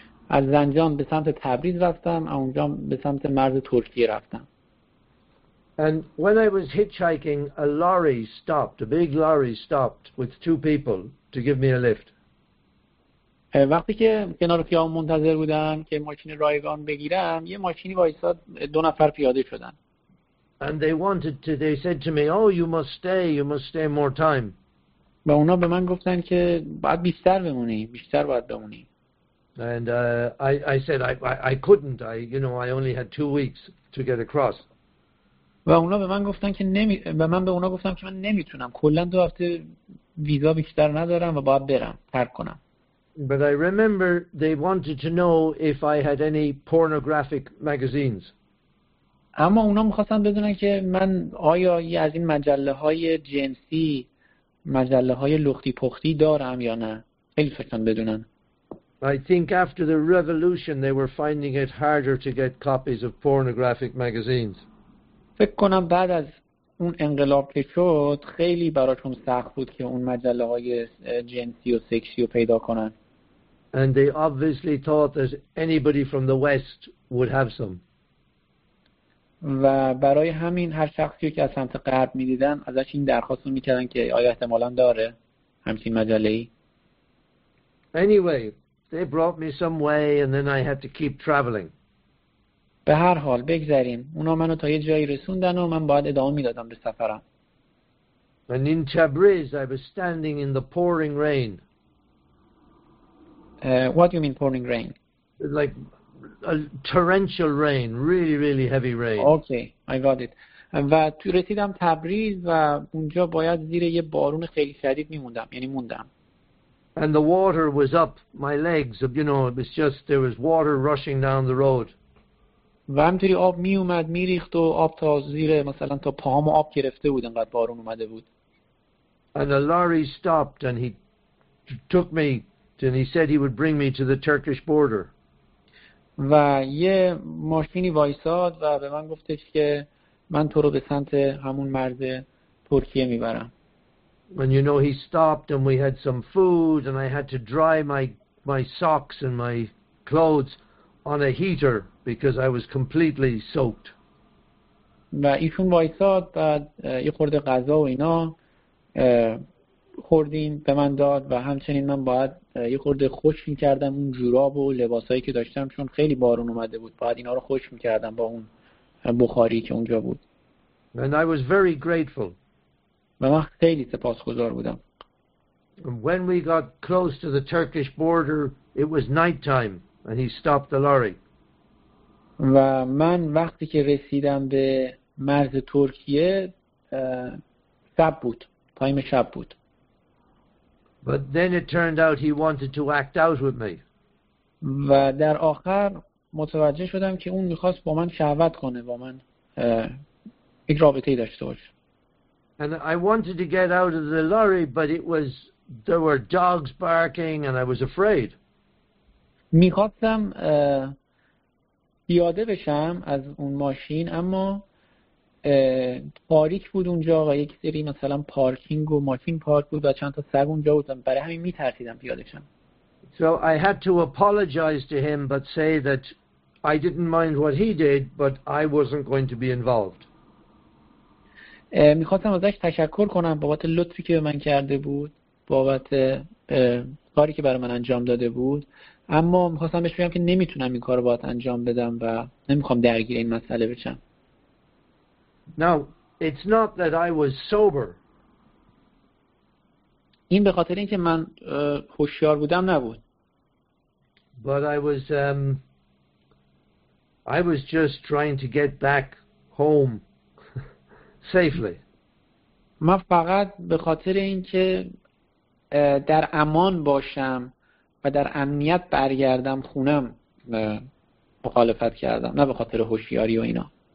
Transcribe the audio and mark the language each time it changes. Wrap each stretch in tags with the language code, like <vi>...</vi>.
<fa>از زنجان به سمت تبریز رفتم، از اونجا به سمت مرز ترکیه رفتم.</fa> <en>And when I was hitchhiking, a lorry stopped, a big lorry stopped with 2 people to give me a lift.</en> <fa>وقتی که کنار خیابون منتظر بودم که ماشین رایگان بگیرم، یه ماشینی وایساد، 2 نفر پیاده شدن.</fa> <en>And they said to me, "Oh, you must stay more time."</en> <fa>و اونا به من گفتن که باید بیشتر بمونی، بیشتر باید بمونی.</fa> <en>And I said I couldn't. I only had 2 weeks to get across.</en> <fa>و اونا به من گفتن که نمی و من به اونا گفتم که من نمیتونم، کلا 2 هفته ویزا بیشتر ندارم و باید برم ترک کنم.</fa> <en>But I remember they wanted to know if I had any pornographic magazines.</en> <fa>اما اونا میخواستن بدونن که من آیا یه از این مجله های جنسی، مجله های لختی پختی دارم یا نه. خیلی فکرن بدونن.</fa> <en>I think after the revolution they were finding it harder to get copies of pornographic magazines.</en> <fa>فکر کنم بعد از اون انقلاب که شد خیلی براشون سخت بود که اون مجله های جنسی و سکسی رو پیدا کنن.</fa> <en>And they obviously thought that anybody from the West would have some.</en> <fa>و برای همین هر شخصی که از سمت غرب می‌دیدن ازش این درخواست رو می‌کردن که آیا احتمالاً داره همچین مجله‌ای.</fa> <en>Anyway, they brought me some way and then I had to keep traveling.</en> <fa>به هر حال بگذاریم، اونا منو تا یه جایی رسوندن و من باید ادامه میدادم به سفرم.</fa> <en>And in Tabriz I was standing in the pouring rain. What do you mean pouring rain? Like a torrential rain, really really heavy rain. Okay, I got it.</en> <fa>و تو رسیدم تبریز و اونجا باید زیر یه بارون خیلی شدید میموندم، یعنی موندم.</fa> <en>And the water was up my legs, you know, it was just there was water rushing down the road.</en> <fa>و همینطوری آب می اومد می ریخت و آب تا زیر مثلا تا پاهامو آب گرفته بود، انقدر بارون اومده بود.</fa> <en>And the lorry stopped and he took me and he said he would bring me to the Turkish border.</en> <fa>و یه ماشینی وایساد و به من گفتش که من تو رو به سمت همون مرز ترکیه میبرم.</fa> <en>And you know he stopped and we had some food and I had to dry my socks and my clothes on a heater because I was completely soaked.</en> <fa>و ایشون وایساد، بعد یه خورده غذا و اینا خوردیم به من داد و همچنین من باید یه خورده خشک می‌کردم اون جوراب و لباسایی که داشتم چون خیلی بارون اومده بود، باید اینا رو خشک می‌کردم با اون بخاری که اونجا بود.</fa> <en>And I was very grateful.</en> <fa>و من خیلی سپاسگزار بودم.</fa> <en>When we got close to the Turkish border it was night time. And he stopped the lorry.</en> <fa>و من وقتی که رسیدم به مرز ترکیه شب بود، تایم شب بود.</fa> <en>But then it turned out he wanted to act out with me.</en> <fa>و در آخر متوجه شدم که اون می‌خواست با من شهوت کنه، با من یک رابطه‌ای داشته باشه.</fa> <en>And I wanted to get out of the lorry but there were dogs barking and I was afraid.</en> <fa>می‌خواستم پیاده بشم از اون ماشین اما تاریک بود اونجا و یک سری مثلا پارکینگ و ماشین پارک بود و چند تا سگ اونجا بودن، برای همین می‌ترسیدم پیاده شم.</fa> <en>So I had to apologize to him but say that I didn't mind what he did but I wasn't going to be involved.</en> <fa>می‌خواستم ازش تشکر کنم بابت لطفی که به من کرده بود، بابت کاری که برای من انجام داده بود، اما می‌خواستم بهش بگم که نمیتونم این کارو باهات انجام بدم و نمیخوام درگیر این مسئله بشم.</fa> <en>Now, it's not that I was sober.</en> <fa>این به خاطر اینکه من هوشیار بودم نبود.</fa> <en>But I was just trying to get back home safely.</en> <fa>من فقط به خاطر اینکه در امان باشم و در امنیت برگردم خونم مخالفت کردم، نه به خاطر هوشیاری و اینا.</fa>